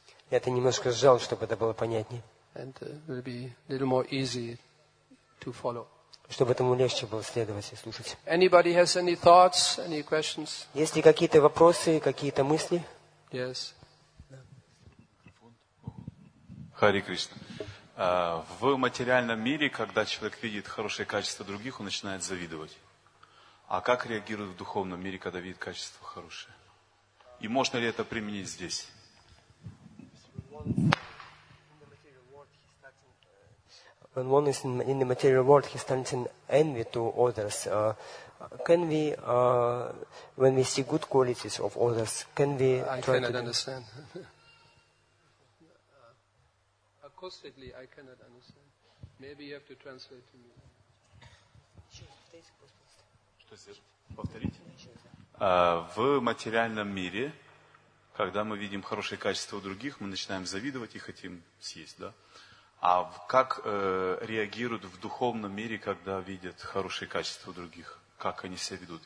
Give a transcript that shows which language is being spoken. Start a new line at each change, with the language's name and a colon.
Russian: Я это немножко сжал, чтобы это было понятнее.
English: And will be a little more easy to follow.
Russian: Чтобы этому легче было следовать и слушать.
English: Anybody has any thoughts, any questions?
Russian: Есть ли какие-то вопросы, какие-то мысли?
English: Yes.
Russian: Хари Кришна. В материальном мире, когда человек видит хорошие качества других, он начинает завидовать. А как реагирует в духовном мире, когда видит качества хорошие? И можно ли это применить здесь?
English: When one is in the material world, he starts in envy to others. Can we, when we see good qualities of others, can we try to... I cannot understand. Acoustically, I cannot understand. Maybe you have to translate to me.
Russian: Что сделать? Повторить? В материальном мире, Когда мы видим хорошие качества у других, мы начинаем завидовать и хотим съесть, да? А как реагируют в духовном мире, когда видят хорошие качества у других? Как они себя ведут?